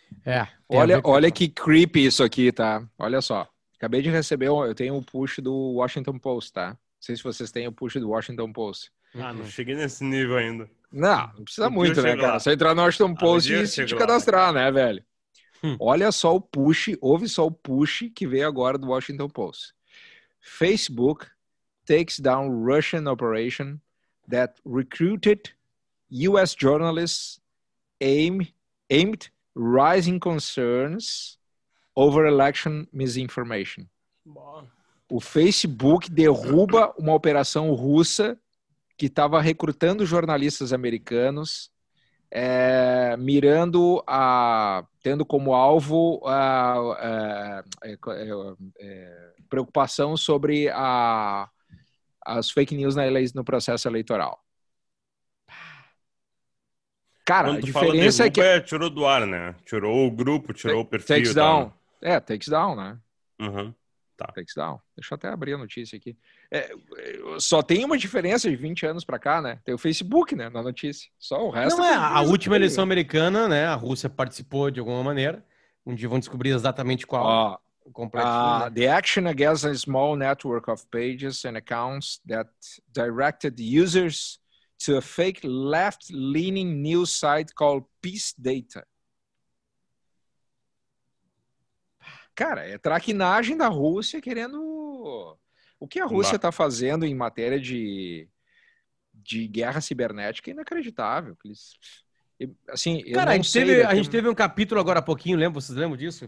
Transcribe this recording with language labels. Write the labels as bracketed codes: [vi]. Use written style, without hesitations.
[pt] É, olha que creepy isso aqui, tá? Olha só, acabei de receber, eu tenho um push do Washington Post, tá? Não sei se vocês têm o push do Washington Post. Ah, não cheguei nesse nível ainda. Não precisa muito, né, cara? Lá. Só entrar no Washington Post e se te cadastrar, lá, né, velho? Olha só o push, ouve só o push que veio agora do Washington Post. [en] Facebook takes down Russian operation that recruited U.S. journalists aimed rising concerns over election misinformation. [pt] O Facebook derruba uma operação russa que estava recrutando jornalistas americanos, mirando a, tendo como alvo a preocupação sobre as fake news no processo eleitoral. Cara, quando a diferença é que... É, tirou do ar, né? Tirou o grupo, tirou o perfil. [en] Takes down. Tá? É, takes down, né? [pt] Uhum. Tá. [en] Takes down. [pt] Deixa eu até abrir a notícia aqui. É, só tem uma diferença de 20 anos pra cá, né? Tem o Facebook, né, na notícia. Só o resto... Não, é a última eleição americana, né? A Rússia participou de alguma maneira. Um dia vão descobrir exatamente qual... Oh. [en] The action against a small network of pages and accounts that directed users to a fake left-leaning news site called Peace Data. [pt] Cara, é traquinagem da Rússia querendo... O que a Rússia está fazendo em matéria de guerra cibernética é inacreditável. Assim, cara, a gente teve um capítulo agora há pouquinho, vocês lembram disso?